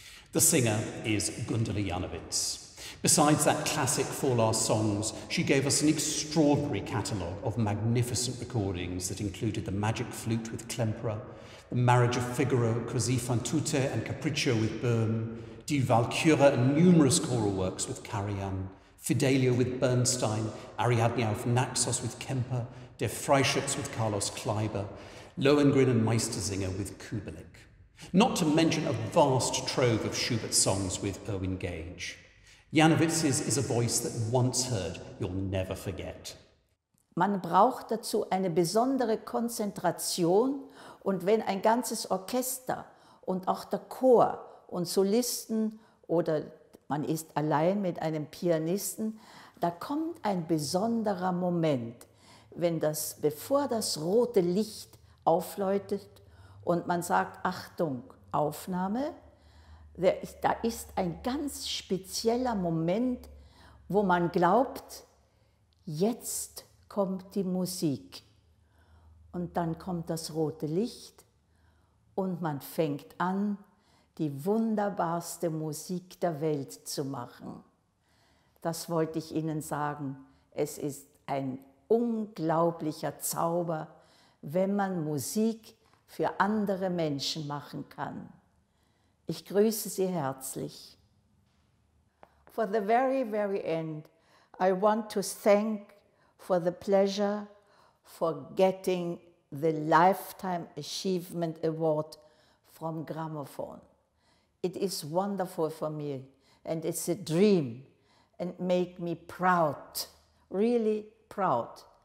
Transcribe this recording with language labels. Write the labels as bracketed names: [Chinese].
[English] The singer is Gundula Janowitz. Besides that classic Four Last Songs, she gave us an extraordinary catalogue of magnificent recordings that included the Magic Flute with Klemperer, the Marriage of Figaro, Così fan tutte and Capriccio with Böhm, Die Walküre and numerous choral works with Karajan, Fidelio with Bernstein, Ariadne auf Naxos with Kemper, Der Freischutz with Carlos Kleiber, Lohengrin and Meistersinger with Kubelik. Not to mention a vast trove of Schubert songs with Erwin Gage. Janowitz's is a voice that once heard, you'll never forget. [German] Man braucht dazu eine besondere Konzentration, und wenn ein ganzes Orchester und auch der Chor und Solisten oder man ist allein mit einem Pianisten, da kommt ein besonderer Moment, wenn das, bevor das rote Licht aufläutet und man sagt, Achtung, Aufnahme, da ist ein ganz spezieller Moment, wo man glaubt, jetzt kommt die Musik. Und dann kommt das rote Licht und man fängt an, die wunderbarste Musik der Welt zu machen. Das wollte ich Ihnen sagen. Es ist ein unglaublicher Zauber, wenn man Musik für andere Menschen machen kann. Ich grüße Sie herzlich. [English] For the very, very end, I want to thank for the pleasure for getting the Lifetime Achievement Award from Gramophone. It is wonderful for me, and it's a dream, and make me proud, really proud.